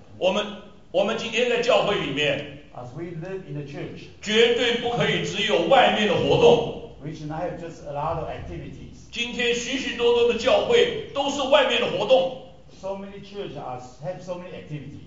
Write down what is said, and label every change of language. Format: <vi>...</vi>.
<zh>我们今天在教会里面，</zh> <en>As we live in the church,</en> <zh>绝对不可以只有外面的活动，</zh> <en>Which is not just a lot of activities.</en> <zh>今天许许多多的教会都是外面的活动，</zh> <en>So many churches have so many activities.</en>